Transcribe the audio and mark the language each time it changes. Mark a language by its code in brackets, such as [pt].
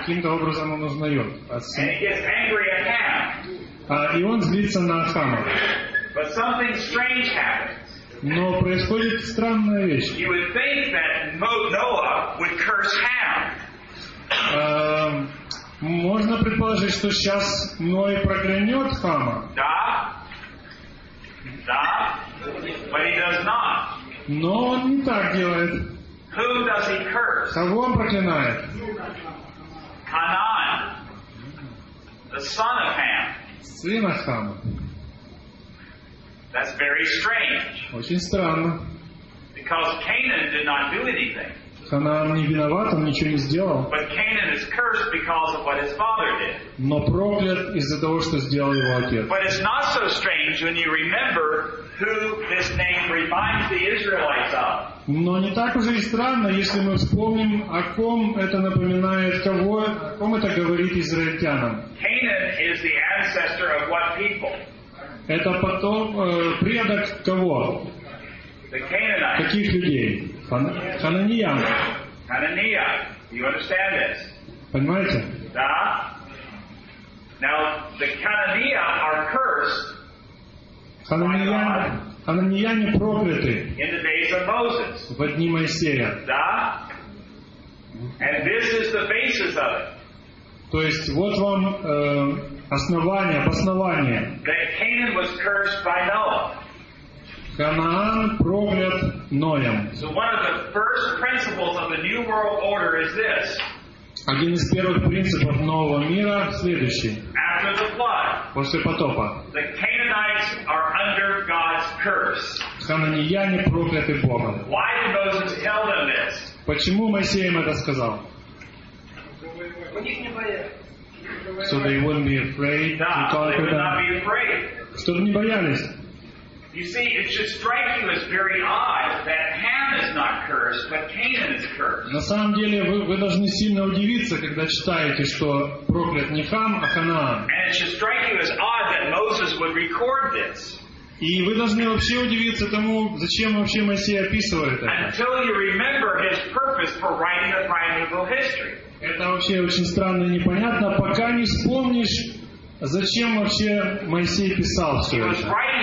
[ru] Каким-то образом он узнает. [en] And he gets angry at Ham. [ru] И он злится на Хама. [en] But something strange happens. [ru] Но происходит странная вещь. [en] You would think that Noah would curse Ham. [ru] Можно предположить, что сейчас Ной проклянет Хама. Да. Да. [en] But he does not. [ru] Но он не так делает. [en] Who does he curse? [ru] Кого он проклинает? [en] Canaan, the son of Ham. [ru] Сына Хама. [en] That's very strange. [ru] Очень странно. [en] Because Canaan did not do anything. [ru] Канаан не виноват, он ничего не сделал. [en] But Canaan is cursed because of what his father did. [ru] Но проклят из-за того, что сделал его отец. [en] But it's not so strange when you remember who this name reminds the Israelites of. [ru] Но не так уже и странно, если мы вспомним, о ком это напоминает, кого, о ком это говорит израильтянам. [en] Canaan is the ancestor of what people? [ru] Это потом предок кого? [en] The Canaanites. [ru] Каких людей? Хананиян. [en] Хананиян. Do you understand this? [ru] Понимаете? Да. [en] Now, the Хананиян are cursed. [ru] Хананияне прокляты. [en] In the days of Moses. [ru] В дни Моисея. Да. [en] And this is the basis of it. [ru] То есть, вот вам основание, обоснование. [en] That Canaan was cursed by Noah. [ru] Канаан проклят Ноем. [en] So one of the first principles of the New World Order is this. [ru] Один из первых принципов нового мира следующий. [en] After the flood, [ru] после потопа. [en] The Canaanites are under God's curse. [ru] Хананияне прокляты Богом. [en] Why did Moses tell them this? [ru] Почему Моисей им это сказал? [en] So they wouldn't be afraid. [ru] Да, [en] to talk they would to them. Not be afraid. [ru] Чтобы не боялись. [en] You see, it should strike you as very odd that Ham is not cursed, but Canaan is cursed. [ru] На самом деле, вы должны сильно удивиться, когда читаете, что проклят не Хам, а Ханаан. [en] And it should strike you as odd that Moses would record this. [ru] И вы должны вообще удивиться тому, зачем вообще Моисей описывает это. [en] Until you remember his purpose for writing the primeval history. [ru] Это вообще очень странно и непонятно, пока не вспомнишь, зачем вообще Моисей писал все это.